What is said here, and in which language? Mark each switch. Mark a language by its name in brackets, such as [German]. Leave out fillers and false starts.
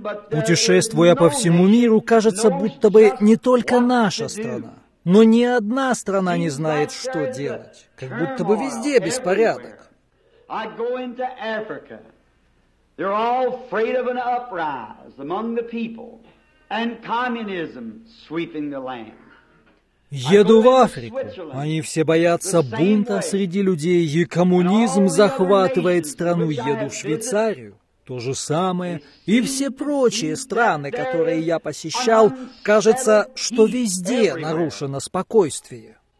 [Russian] Путешествуя по всему миру, кажется, будто бы не только наша страна, но ни одна страна не знает, что делать. Как будто бы везде беспорядок. [English] I go into Africa. They're all afraid of an uprise among the people and communism sweeping the land. [Russian] Еду в Африку. Они все боятся бунта среди людей, и коммунизм захватывает страну. Еду в Швейцарию. То же самое. И все прочие страны, которые я посещал, кажется, что везде нарушено спокойствие.